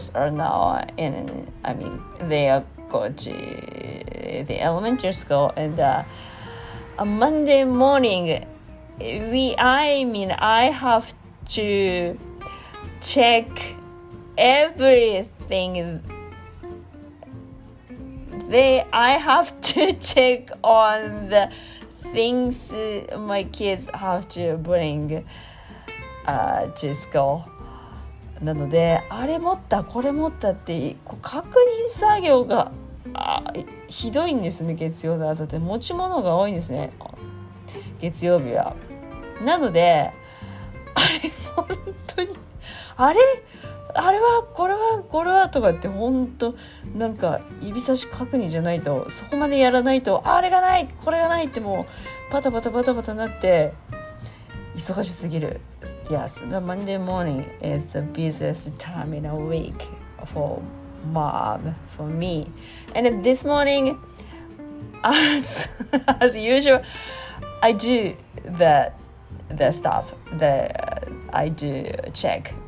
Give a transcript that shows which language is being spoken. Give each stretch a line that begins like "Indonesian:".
English: now in, I mean, they are going to the elementary school and on Monday morning, I have to check everythingI have to check on the things my kids have to bring to school.
Japanese: なのであれ持ったこれ持ったってこう確認作業がひどいんですね、月曜の朝って持ち物が多いんですね、月曜日は。なのであれ本当にあれはこれはこれはとかって本当なんか指差し確認じゃないと、そこまでやらないとあれがないこれがないってもうパタパタパタパタなって忙しすぎる。
English: Yes, the Monday morning is the busiest time in a week for mom, for me. And this morning, as usual, I do the stuff that I do check.